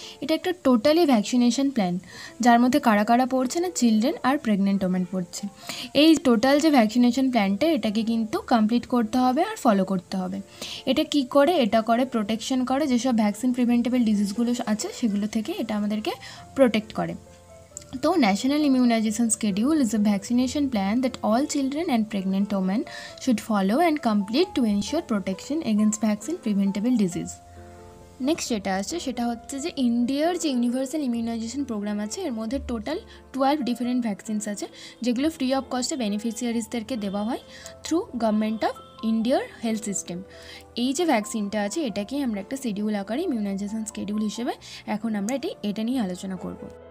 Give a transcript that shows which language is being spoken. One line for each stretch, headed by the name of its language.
Bangla: এটা একটা totally vaccination plan, যার মধ্যে কারা কারা পড়ছে না, চিলড্রেন আর প্রেগনেন্ট ওমেন পড়ছে। এই টোটাল যে ভ্যাকসিনেশন প্ল্যানটা, এটাকে কিন্তু কমপ্লিট করতে হবে আর ফলো করতে হবে। এটা কী করে? এটা করে প্রোটেকশন করে, যেসব ভ্যাকসিন প্রিভেন্টেবল ডিজিজগুলো আছে সেগুলো থেকে এটা আমাদেরকে প্রোটেক্ট করে।
English: So National Immunization Schedule is a vaccination plan that all children and pregnant women should follow and complete to ensure protection against vaccine preventable disease.
Bangla: Next যেটা আছে সেটা হচ্ছে যে ইন্ডিয়ার যে ইউনিভার্সাল ইমিউনাইজেশন প্রোগ্রাম আছে, এর মধ্যে টোটাল 12 ডিফারেন্ট ভ্যাকসিনস আছে, যেগুলো ফ্রি অফ কস্টে বেনিফিসিয়ারিসদেরকে দেওয়া হয় থ্রু গভর্নমেন্ট অফ ইন্ডিয়ার হেলথ সিস্টেম। এই যে ভ্যাকসিনটা আছে এটাকেই আমরা একটা শিডিউল আকারে, ইমিউনাইজেশন স্কেডিউল হিসেবে এখন আমরা এটা নিয়ে আলোচনা করব।